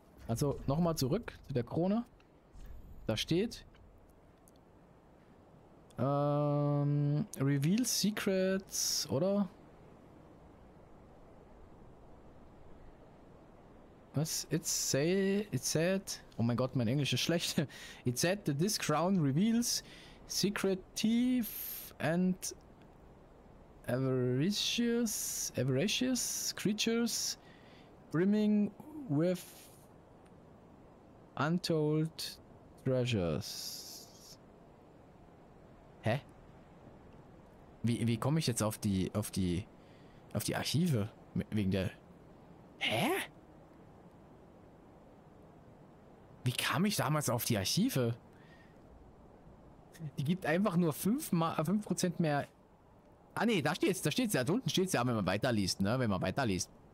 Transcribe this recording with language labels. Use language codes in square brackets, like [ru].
[de] Also nochmal zurück zu der Krone. Da steht: Reveal Secrets, oder? Was? [en] It said. [de] Oh mein Gott, mein Englisch ist schlecht. [en] It said that this crown reveals secretive and avaricious creatures brimming with untold treasures. Hä? [de] Wie komme ich jetzt auf die Archive wegen der? Hä? kam ich damals auf die Archive? Die gibt einfach nur 5% mehr. Ah ne, da steht's ja, da unten steht's ja, wenn man weiterliest, ne? Wenn man weiterliest.